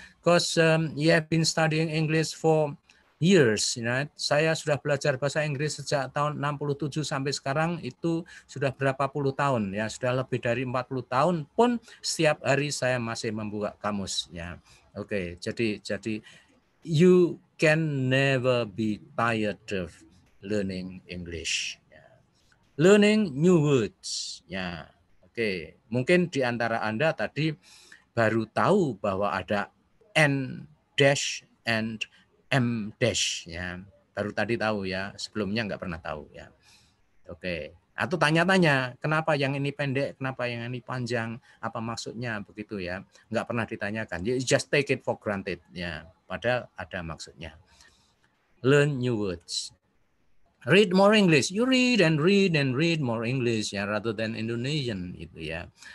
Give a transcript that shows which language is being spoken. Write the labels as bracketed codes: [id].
[en] Because you have been studying English for years, right? [id] Saya sudah belajar bahasa Inggris sejak tahun 67 sampai sekarang itu sudah berapa puluh tahun, ya sudah lebih dari 40 tahun pun setiap hari saya masih membuka kamus, ya. [en] Oke, jadi you can never be tired of learning English. Yeah. Learning new words, ya. Yeah. [id] Oke, mungkin di antara Anda tadi baru tahu bahwa ada N dash and M dash ya, baru tadi tahu ya, sebelumnya nggak pernah tahu ya. Oke, atau tanya-tanya kenapa yang ini pendek, kenapa yang ini panjang, apa maksudnya begitu ya, nggak pernah ditanyakan, [en] you just take it for granted [id] ya, padahal ada maksudnya. [en] Learn new words, read more English, you read and read more English ya, rather than Indonesian itu ya.